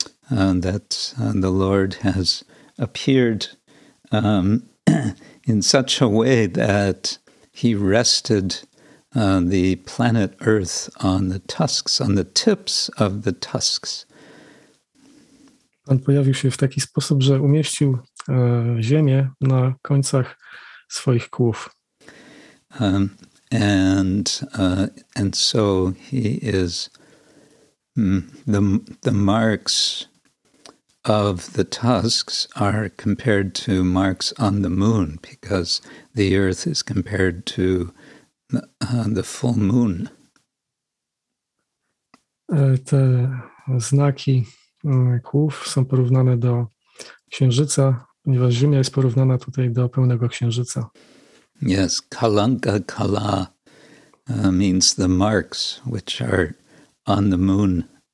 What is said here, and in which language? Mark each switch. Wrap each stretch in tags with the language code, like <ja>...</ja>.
<en>The Lord has appeared in such a way that he rested the planet Earth on the tusks, on the tips of the tusks.</en> <pl>Pan pojawił się w taki sposób, że umieścił ziemię na końcach swoich kłów.</pl> <en>And so he is The marks of the tusks are compared to marks on the moon because the earth is compared to the full moon.</en> <pl>Te znaki kłów są porównane do księżyca, ponieważ Ziemia jest porównana tutaj do pełnego księżyca.</pl> <en>Yes, kalanka kala means the marks which are on the moon.</en>